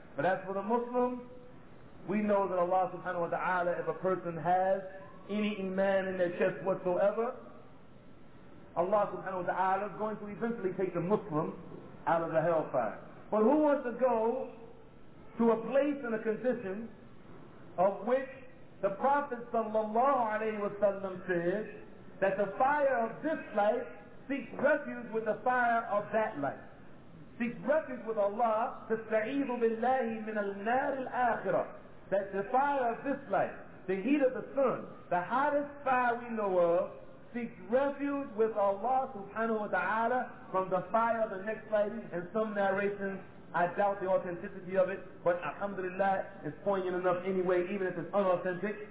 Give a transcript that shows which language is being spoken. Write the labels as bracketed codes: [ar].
[en] But as for the Muslims, we know that Allah subhanahu wa ta'ala, if a person has any iman in their chest whatsoever, Allah subhanahu wa ta'ala is going to eventually take the Muslim out of the hellfire. But who wants to go to a place and a condition of which the Prophet sallallahu alaihi wasallam says that the fire of this life seeks refuge with the fire of that life. Seeks refuge with Allah, [ar] تَسْتَعِيذُ بِاللَّهِ مِنَ النَّارِ الْآخِرَةِ. [en] That the fire of this life, the heat of the sun, the hottest fire we know of, seeks refuge with Allah subhanahu wa ta'ala from the fire of the next life. And some narrations, I doubt the authenticity of it, but alhamdulillah, it's poignant enough anyway, even if it's unauthentic.